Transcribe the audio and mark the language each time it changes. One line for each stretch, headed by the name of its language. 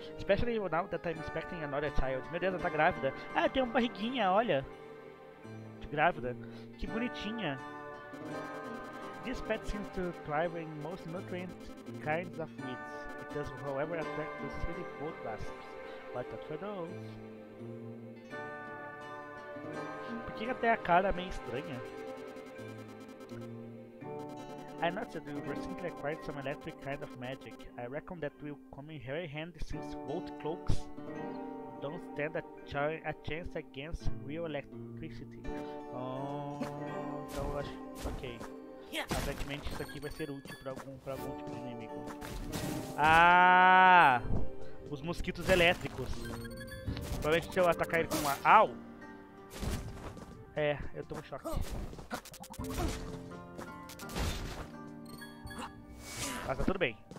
English: Especially now that I'm expecting another child.
Portuguese: Meu Deus, ela tá grávida. Ah, tem uma barriguinha, olha. Grávida. Que bonitinha.
English: This pet seems to thrive in most nutrient kinds of meats. It does, however, attract the silly food wasps. But not for those.
Portuguese: Por que até a cara é meio estranha?
English: I noticed that we recently acquired some electric kind of magic. I reckon that will come in very handy since both cloaks don't stand a chance against real electricity.
Portuguese: Oh, então eu acho. Ok. Yeah. Aparentemente isso aqui vai ser útil pra algum tipo de inimigo. Ah! Os mosquitos elétricos. Provavelmente se eu atacar ele com uma. Au! É, eu tô em choque. Mas tá tudo bem.